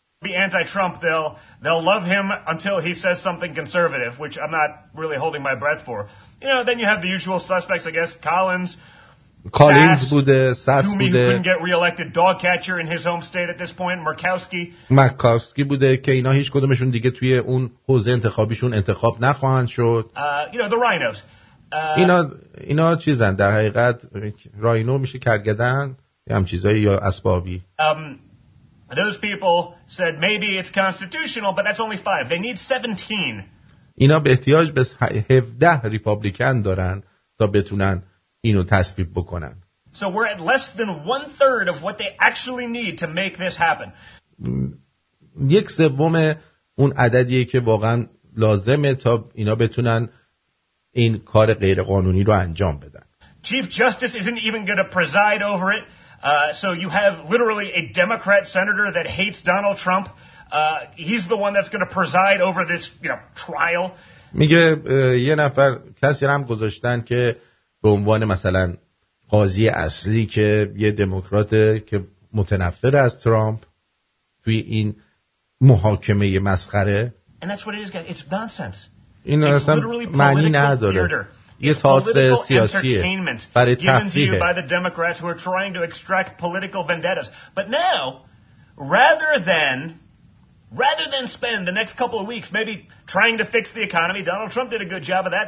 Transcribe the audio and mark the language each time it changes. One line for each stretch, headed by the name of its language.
English: Be anti-Trump, they'll love him until he says something conservative, which I'm not really holding my breath for. You know, then you have the usual suspects, I guess. Collins
Persian: Sass, بوده, Sass بوده.
English: Couldn't get re-elected. Dog catcher in his home state at this point.
Persian: Murkowski بوده که اینا هیچ کدومشون دیگه توی اون حوزه انتخابیشون انتخاب نخواهند شد.
English: You know, the rhinos.
Persian: اینا چیزن در حقیقت. راینو میشه کرگدن یا هم چیزایی یا اسبابی.
English: Those people said maybe it's constitutional, but that's only five. They need 17.
Persian: اینا به احتیاج به 17 ریپابلیکن دارن تا بتونن اینو تصویب بکنن.
English: So we're at less than one third of what they actually need to make this happen.
Persian: یک سوم اون عددیه که واقعا لازمه تا اینا بتونن این کار غیر قانونی رو انجام بدن.
English: Chief Justice isn't even going to preside over it. So you have literally a Democrat senator that hates Donald Trump. He's the one that's going to preside over this, you know, trial.
Persian: میگه یه نفر کسی رو هم گذاشتن که به عنوان مثلا قاضی اصلی که یه دموکراته که متنفر از ترامپ توی این محاکمه مسخره.
English: And that's what it is, guys. It's nonsense.
Persian: این اصلا معنی نداره. یه تئاتر سیاسیه برای تفریحه.
English: By the Democrats who are trying to extract political vendettas. But now, rather than spend the next couple of weeks maybe trying to fix the economy, Donald Trump did a good job of that.